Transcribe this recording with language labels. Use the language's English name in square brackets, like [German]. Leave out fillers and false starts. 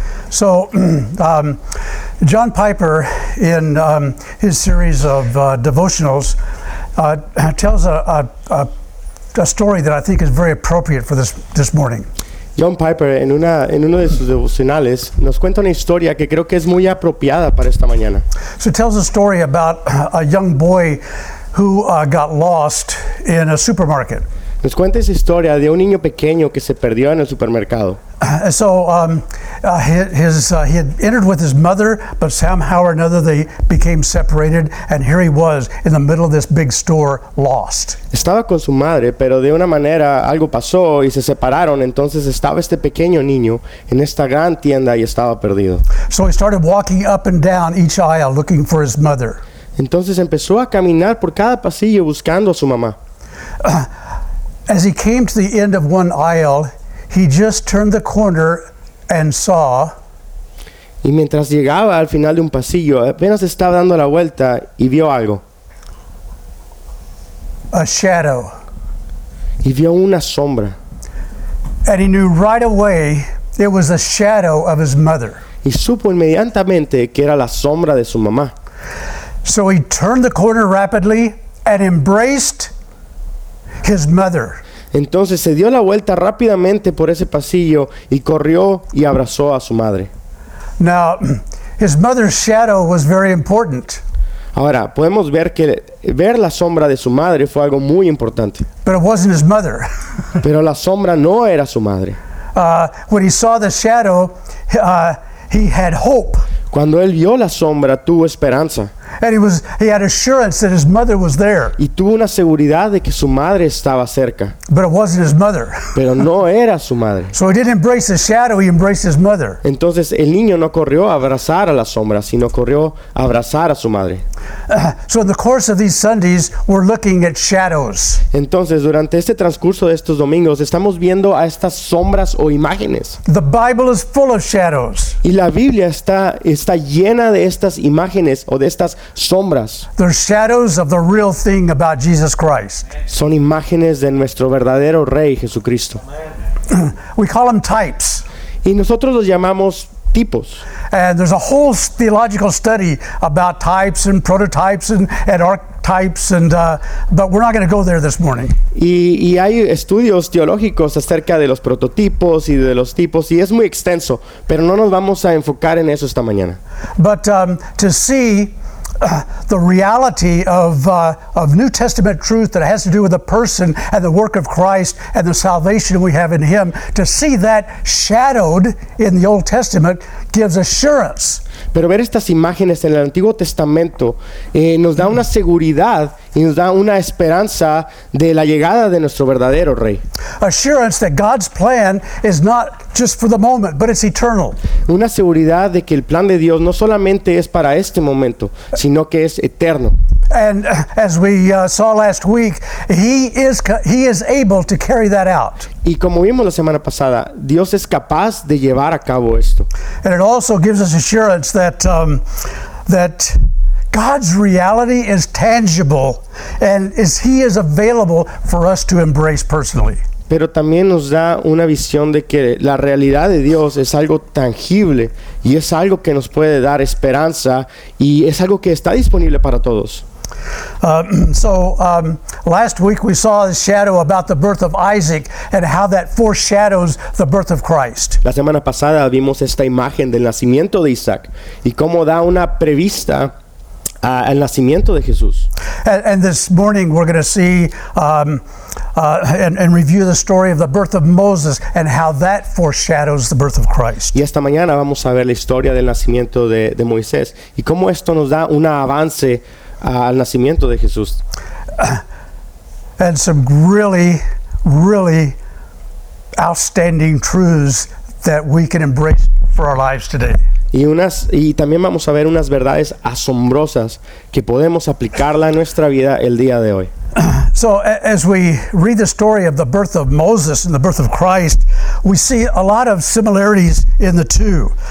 [English] So, John Piper, in his series of devotionals, tells a story that I think is very appropriate for this morning. [Spanish] John Piper, en uno de sus devocionales, nos cuenta una historia que creo que es muy apropiada para esta mañana. [English] So it tells a story about a young boy who got lost in a supermarket. [Spanish] Nos cuenta esa historia de un niño pequeño que se perdió en el supermercado. [English] So he had entered with his mother, but somehow or another they became separated, and here he was in the middle of this big store, lost. [Spanish] Estaba con su madre, pero de una manera algo pasó y se separaron. Entonces estaba este pequeño niño en esta gran tienda y estaba perdido. [English] So he started walking up and down each aisle looking for his mother. [Spanish] Entonces empezó a caminar por cada pasillo buscando a su mamá. [English] As he came to the end of one aisle, he just turned the corner and saw. [Spanish] Y mientras llegaba al final de un pasillo, apenas estaba dando la vuelta y vio algo. [English] A shadow. [Spanish] Y vio una sombra. [English] And he knew right away it was a shadow of his mother. [Spanish] Y supo inmediatamente que era la sombra de su mamá. [English] So he turned the corner rapidly and embraced his mother. [Spanish] Entonces se dio la vuelta rápidamente por ese pasillo y corrió y abrazó a su madre. [English] Now, his mother's shadow was very important. [Spanish] Ahora, podemos ver que ver la sombra de su madre fue algo muy importante. [English] But it wasn't his mother. [Spanish] Pero la sombra no era su madre. [English] When he saw the shadow, he had hope. [Spanish] Cuando él vio la sombra, tuvo esperanza. [English] And he had assurance that his mother was there. [Spanish] Y tuvo una seguridad de que su madre estaba cerca. [English] But it wasn't his mother. [Spanish] Pero no era su madre. [English] So he didn't embrace the shadow, he embraced his mother. [Spanish] Entonces el niño no corrió a abrazar a la sombra, sino corrió a abrazar a su madre. [English] So in the course of these Sundays, we're looking at shadows. [Spanish] Entonces durante este transcurso de estos domingos, estamos viendo a estas sombras o imágenes. [English] The Bible is full of shadows. [Spanish] Y la Biblia está llena de estas imágenes o de estas sombras. [English] They're shadows of the real thing about Jesus Christ. [Spanish] Son imágenes de nuestro verdadero Rey Jesucristo. [English] We call them types. [Spanish] Y nosotros los llamamos tipos. [English] And there's a whole theological study about types and prototypes and archetypes, but we're not going to go there this morning. [Spanish] Y hay estudios teológicos acerca de los prototipos y de los tipos, y es muy extenso, pero no nos vamos a enfocar en eso esta mañana. [English] But to see the reality of New Testament truth that has to do with the person and the work of Christ and the salvation we have in Him, to see that shadowed in the Old Testament gives assurance. [Spanish] Pero ver estas imágenes en el Antiguo Testamento nos da una seguridad y nos da una esperanza de la llegada de nuestro verdadero Rey. [English] Assurance that God's plan is not just for the moment, but it's eternal. [Spanish] Una seguridad de que el plan de Dios no solamente es para este momento, sino que es eterno. [English] And as we saw last week, he is able to carry that out. [Spanish] Y como vimos la semana pasada, Dios es capaz de llevar a cabo esto. [English] And it also gives us assurance that that God's reality is tangible, and he is available for us to embrace personally. [Spanish] Pero también nos da una visión de que la realidad de Dios es algo tangible y es algo que nos puede dar esperanza y es algo que está disponible para todos. [English] So last week we saw the shadow about the birth of Isaac and how that foreshadows the birth of Christ. [Spanish] La semana pasada vimos esta imagen del nacimiento de Isaac y cómo da una prevista al nacimiento de Jesús. [English] And this morning we're going to see and review the story of the birth of Moses and how that foreshadows the birth of Christ. [Spanish] Y esta mañana vamos a ver la historia del nacimiento de Moisés y cómo esto nos da un avance al nacimiento de Jesús. [English] And some really, really outstanding truths that we can embrace for our lives today. [Spanish] Y también vamos a ver unas verdades asombrosas que podemos aplicarla a nuestra vida el día de hoy. [English] So as we read the story of the birth of Moses and the birth of Christ, we see a lot of similarities in the two.